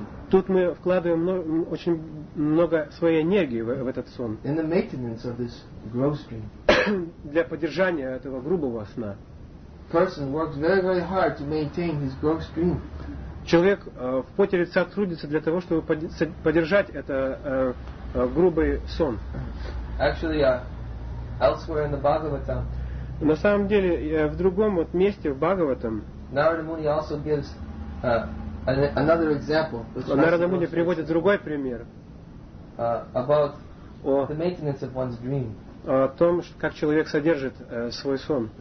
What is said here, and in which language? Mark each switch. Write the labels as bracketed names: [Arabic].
[Russian] Тут мы вкладываем очень много своей энергии в этот сон. [English] In the maintenance of this gross dream. [Russian] Для поддержания этого грубого сна. [English] Person works very, very hard to maintain his gross dream. [Russian] Человек в поте лица трудится для того, чтобы поддержать этот грубый сон. [English] Actually, elsewhere in the Bhagavatam. [Russian] На самом деле, в другом вот месте, в Бхагаватам, [English] Narada Muni also gives another example. [Russian] Narada Muni приводит другой пример [English] about the maintenance of one's dream. [Russian] О том, как человек содержит свой сон.